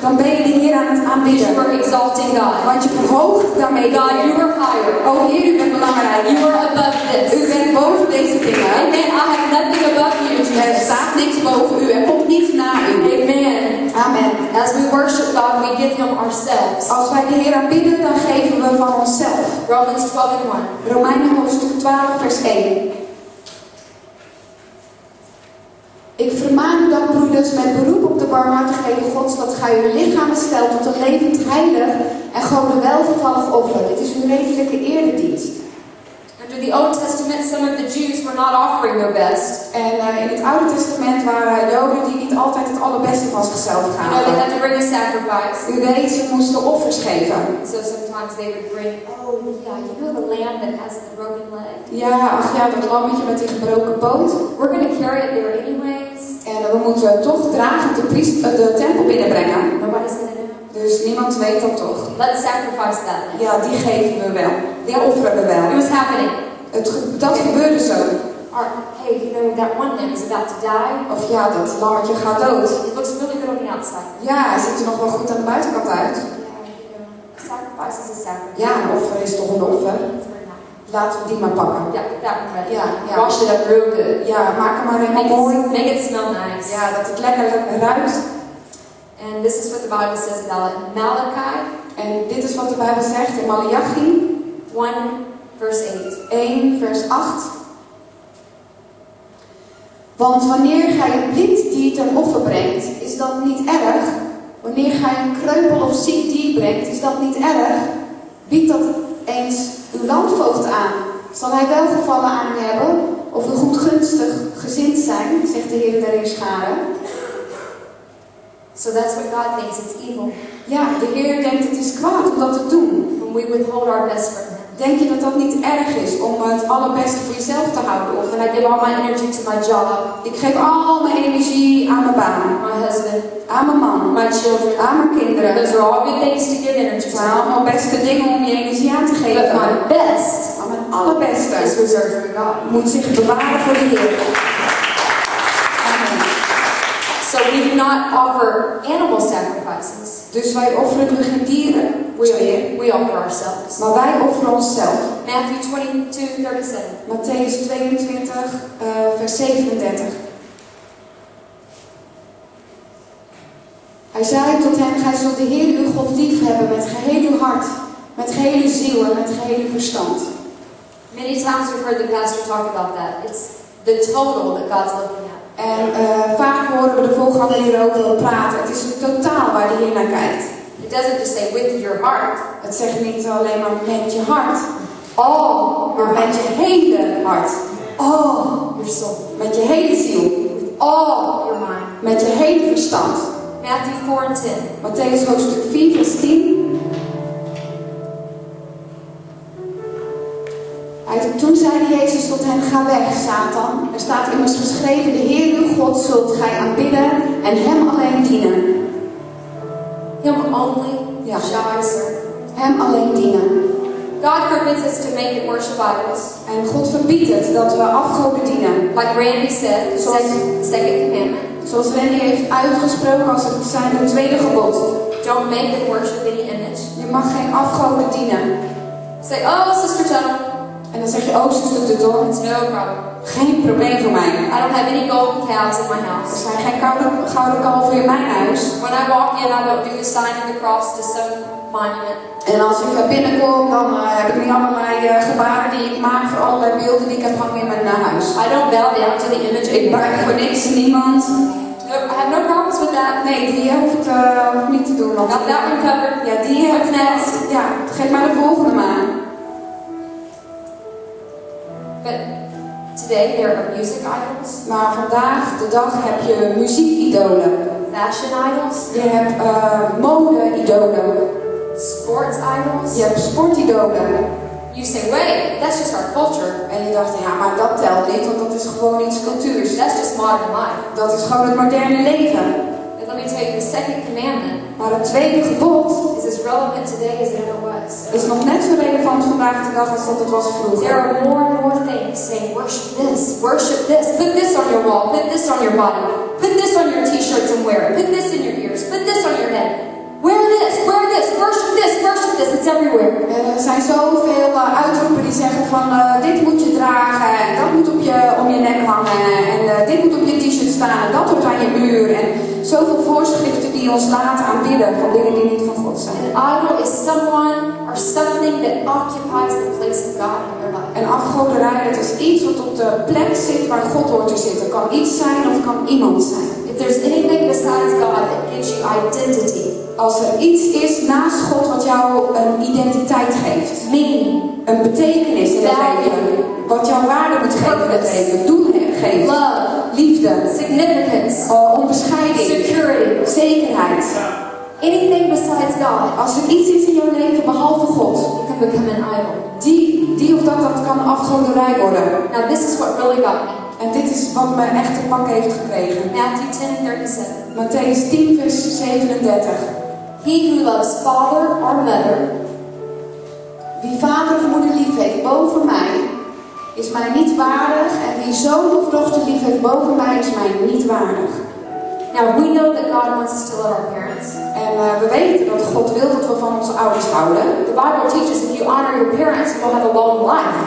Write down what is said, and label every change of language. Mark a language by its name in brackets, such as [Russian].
[Dutch] Dan ben je de Heer aan het aanbidden. [English] You are exalting God. [Dutch] Want je verhoogt daarmee. [English] God, you are higher. [Dutch] Oh Heer, u bent belangrijk. [English] You are above this. [Dutch] U bent boven deze dingen. Amen. [English] I have nothing above you, Jesus. [Dutch] Er staat niks boven u. Er komt niets na u. Amen. Amen. [English] As we worship God, we give him ourselves. [Dutch] Als wij de Heer aanbidden, dan geven we van onszelf. [English] Romans 12 and 1. [Dutch] Romeinen hoofdstuk 12 vers 1. Ik vermaan u dan, broeders, met beroep op de barmhartigheden Gods, dat gij uw lichaam stelt tot een levend heilig en gewoon een welgevallig offer. Het is uw redelijke eredienst. [English] Under the Old Testament, some of the Jews were not offering their best. [Dutch] En in het Oude Testament waren Joden die niet altijd het allerbeste van zichzelf gaven. [English] You know, they had to bring a sacrifice. [Dutch] Die wel iets moesten offers geven. [English] So sometimes they would bring, you know, the lamb that has the broken leg. [Dutch] Ja, ach ja, dat lammetje met die gebroken poot. [English] We're gonna carry it there anyways. [Dutch] En we moeten toch dragen de tempel binnenbrengen. [English] Nobody's gonna. [Dutch] Dus niemand weet dat toch. [English] Let's sacrifice that. [Dutch] Ja, die geven we wel. Die offeren we wel. [English] It was happening. [Dutch] Gebeurde zo. [English] Hey, you know that one lamb is about to die. [Dutch] Of ja, dat lammetje gaat dood. [English] It looks really good on the outside. [Dutch] Ja, hij ziet er nog wel goed aan de buitenkant uit. [English] Sacrifice is a sacrifice. [Dutch] Ja, een offer is toch een offer. Laten we die maar pakken. Ja, yeah, [English] yeah. Wash it up real good. [Dutch] Ja, maak hem maar helemaal mooi. [English] Make it smell nice. [Dutch] Ja, dat het lekker ruikt. [English] And this is what the Bible says about Malachi. [Dutch] En dit is wat de Bijbel zegt in Malachi [English] 1 verse 8. [Dutch] 1 vers 8. Want wanneer gij een blind dier ten offer brengt, is dat niet erg? Wanneer gij een kreupel of ziek dier brengt, is dat niet erg? Biedt dat eens uw landvoogd aan? Zal hij welgevallen aan u hebben? Of u goedgunstig gezind zijn? Zegt de Heer der Heerscharen. [English] So that's what God thinks, it's evil. [Dutch] Ja, de Heer denkt het is kwaad om dat te doen. [English] When we withhold our best from him. [Dutch] Denk je dat dat niet erg is om het allerbeste voor jezelf te houden? [English] Of I give all my energy to my job. [Dutch] Ik geef al mijn energie aan mijn baan. [English] My husband. [Dutch] Aan mijn man. [English] My children. [Dutch] Aan mijn kinderen. [English] Those are all good things to give energy to. [Dutch] Maar allemaal beste dingen om je energie aan te geven. [English] But my best. [Dutch] Maar mijn allerbeste. [English] Is reserved for God. [Dutch] Moet zich bewaren voor de Heer. [English] So we do not offer animal sacrifices. [Dutch] Dus wij offeren nu geen dieren. [English] We offer ourselves. [Dutch] Maar wij offeren onszelf. [English] Matthew 22:37. [Dutch] Matthäus 22, vers 37. Hij zei tot hen: Gij zult de Heer uw God lief hebben met geheel uw hart, met geheel uw ziel en met geheel uw verstand. [English] Many times we've heard the pastor talk about that. It's the total that God's looking at. [Dutch] En vaak horen we de voorganger hier ook wel praten. Het is het totaal waar de Heer naar kijkt. [English] It doesn't just say with your heart. [Dutch] Het zegt niet alleen maar met je hart. [English] All. [Dutch] Maar met je hele hart. [English] All. Your soul. [Dutch] Met je hele ziel. [English] All. Your mind. [Dutch] Met je hele verstand. [English] Matthew 4:10. [Dutch] Matthäus hoofdstuk 4 vers 10. Toen zei Jezus tot hen, ga weg, Satan. Er staat immers geschreven, de Heer uw God zult gij aanbidden en hem alleen dienen. [English] Him only, ja. Shall I serve. [Dutch] Hem alleen dienen. [English] God forbids us to make it worship idols. [Dutch] En God verbiedt het dat we afgoden dienen. [English] Like Randy said, second commandment. [Dutch] Zoals Randy heeft uitgesproken als het zijn tweede gebod. [English] Don't make it worship any image. [Dutch] Je mag geen afgoden dienen. [English] Say, oh, sister Tuttle. [Dutch] En dan zeg je, oh, zuster Tuttle. [English] It's no problem. [Dutch] Geen probleem voor mij. [English] I don't have any golden cows in my house. [Dutch] Er zijn geen gouden kalven in mijn huis. [English] When I walk in, I don't do the sign of the cross to some monument. [Dutch] En als ik binnenkom, dan heb ik niet allemaal mijn gebaren die ik maak voor allerlei beelden die ik heb hangen in mijn huis. [English] I don't bow down to the image. [Dutch] Ik buig voor niks en niemand. [English] No, I have no problems with that. [Dutch] Nee, die hoef ik niet te doen. [English] Got that one covered. [Dutch] Ja, die heb ik next. Ja, geef maar de volgende maan. [English] But today there are music idols. [Dutch] Maar vandaag de dag heb je muziekidolen. [English] Fashion idols. [Dutch] Je hebt mode-idolen. [English] Sports idols. [Dutch] Je hebt sportidolen. [English] You say, wait, that's just our culture. [Dutch] En je dacht, ja, maar dat telt niet, want dat is gewoon iets cultuurs. [English] That's just modern life. [Dutch] Dat is gewoon het moderne leven. [English] But let me tell you, the second commandment. [Dutch] Maar het tweede gebod [English] is as relevant today as it ever was. [Dutch] Is nog net zo relevant vandaag de dag als dat het was vroeger. [English] There are more and more things saying worship this, put this on your wall, put this on your body, put this on your t-shirts and wear it, put this in your ears, put this on your head. Wear this, worship this, it's everywhere. [Dutch] En er zijn zoveel uitroepen die zeggen van dit moet je dragen, dat moet om je nek hangen, en dit moet op je t-shirt staan, dat hoort aan je muur. En zoveel voorschriften die ons laten aanbidden van dingen die niet van God zijn. [English] An idol is someone or something that occupies the place of God in your life. [Dutch] Een afgoderij, het is iets wat op de plek zit waar God hoort te zitten. Kan iets zijn of kan iemand zijn. [English] If there's anything besides God that gives you identity. [Dutch] Als er iets is naast God wat jou een identiteit geeft. [English] Meaning. [Dutch] Een betekenis in het leven. Wat jouw waarde moet geven in het leven. Doel geeft. [English] Love. [Dutch] Liefde. [English] Significance. [Dutch] Onbescheiding. [English] Security. [Dutch] Zekerheid. [English] Anything besides God. [Dutch] Als er iets is in jouw leven behalve God. [English] It can become an idol. [Dutch] Die of dat kan afgoderij worden. [English] Now this is what really got me. [Dutch] En dit is wat me echt te pakken heeft gekregen. Matthäus 10 vers 37. [English] He who loves father or mother. [Dutch] Wie vader of moeder lief heeft boven mij. Is mij niet waardig. En wie zoon of dochter lief heeft boven mij is mij niet waardig. [English] Now we know that God wants us to love our parents. [Dutch] En we weten dat God wil dat we van onze ouders houden. [English] The Bible teaches that if you honor your parents, you will have a long life.